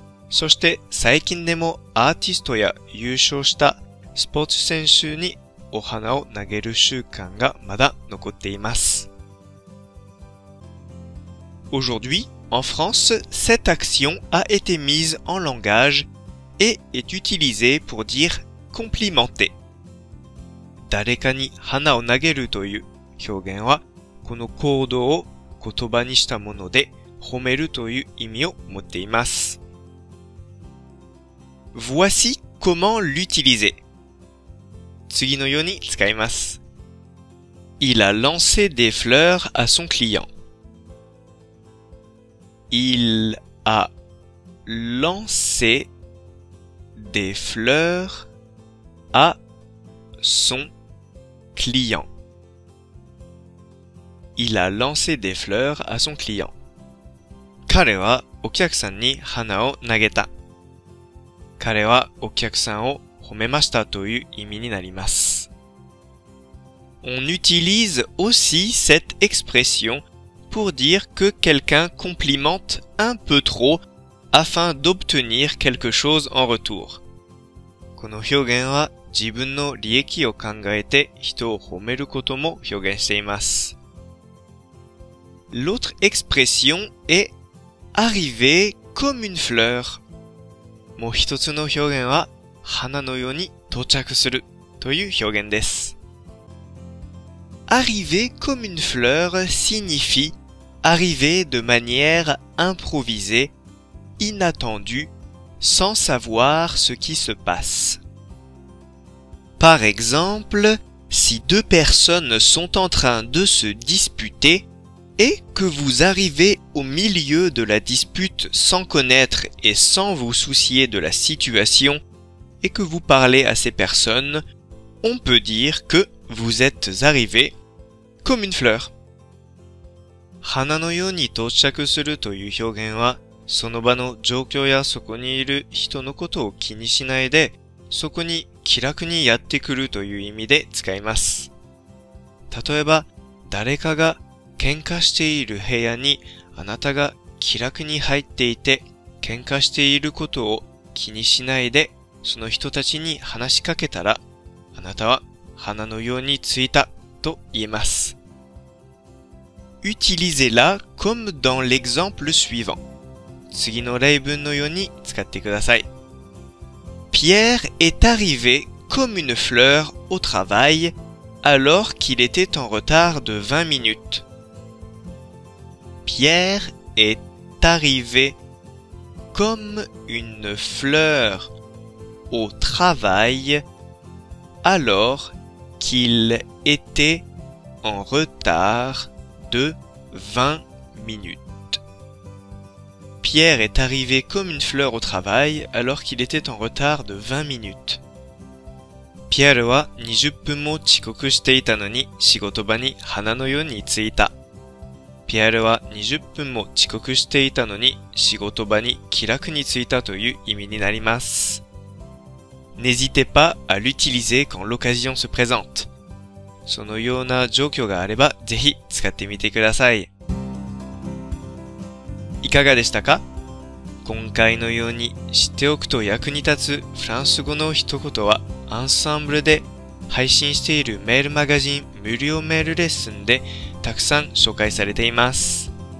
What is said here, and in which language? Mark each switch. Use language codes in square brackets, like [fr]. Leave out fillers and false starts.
[ja] そして最近でもアーティストや優勝したスポーツ選手にお花を投げる習慣がまだ残っています。 [fr] Aujourd'hui, en France, cette action a été mise en langage et est utilisée pour dire complimenter. [ja] 誰かに花を投げるという表現は、この行動を言葉にしたもので、褒めるという意味を持っています。 [fr] Voici comment l'utiliser. [ja] 次のように使います。 [fr] Il a lancé des fleurs à son client. Il a lancé des fleurs à son client. Client. Il a lancé des fleurs à son client. [ja] 彼はお客さんに花を投げた。彼はお客さんを褒めましたという意味になります。 [fr] On utilise aussi cette expression pour dire que quelqu'un complimente un peu trop afin d'obtenir quelque chose en retour. [ja] この表現は自分の利益を考えて人を褒めることも表現しています。 [fr] L'autre expression est arriver comme une fleur. [ja] もう一つの表現は花のように到着するという表現です。 [fr] Arriver comme une fleur signifie arriver de manière improvisée, inattendue, sans savoir ce qui se passe. Par exemple, si deux personnes sont en train de se disputer et que vous arrivez au milieu de la dispute sans connaître et sans vous soucier de la situation et que vous parlez à ces personnes, on peut dire que vous êtes arrivé comme une fleur. [ja] 花のように到着するという表現は、その場の状況やそこにいる人のことを気にしないで、そこに気楽にやってくるという意味で使います。例えば、誰かが喧嘩している部屋にあなたが気楽に入っていて、喧嘩していることを気にしないで、その人たちに話しかけたら、あなたは花のようについたと言えます。 [fr] Utilisez-la comme dans l'exemple suivant. [ja] 次の例文のように使ってください。 [fr] Pierre est arrivé comme une fleur au travail alors qu'il était en retard de 20 minutes. Pierre est arrivé comme une fleur au travail alors qu'il était en retard de 20 minutes. Pierre est arrivé comme une fleur au travail alors qu'il était en retard de 20 minutes. [ja] Pierre は20分も遅刻していたのに仕事場に花のように着いた。ピエールは20分も遅刻していたのに仕事場に気楽に着いたという意味になります。 [fr] N'hésitez pas à l'utiliser quand l'occasion se présente. [ja] そのような状況があればぜひ使ってみてください。いかがでしたか？今回のように知っておくと役に立つフランス語の一言はアンサンブルで配信しているメールマガジン無料メールレッスンでたくさん紹介されています。